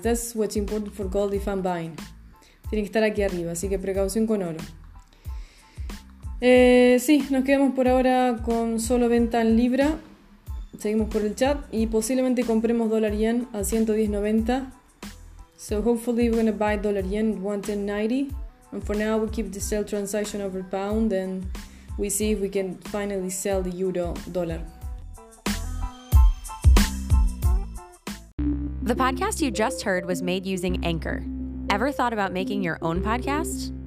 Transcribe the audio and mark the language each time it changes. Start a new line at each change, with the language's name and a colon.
English: That's what's important for gold if I'm buying.
Spanish: Tiene que estar aquí arriba, así que precaución con oro. Sí, nos quedamos por ahora con solo venta en libra. Seguimos por el chat y posiblemente compremos dólar yen a 110.90.
English: So hopefully we're going to buy dólar yen at 1.10.90. And for now we keep the sell transaction over pound and we see if we can finally sell the euro dollar. The podcast you just heard was made using Anchor. Ever thought about making your own podcast?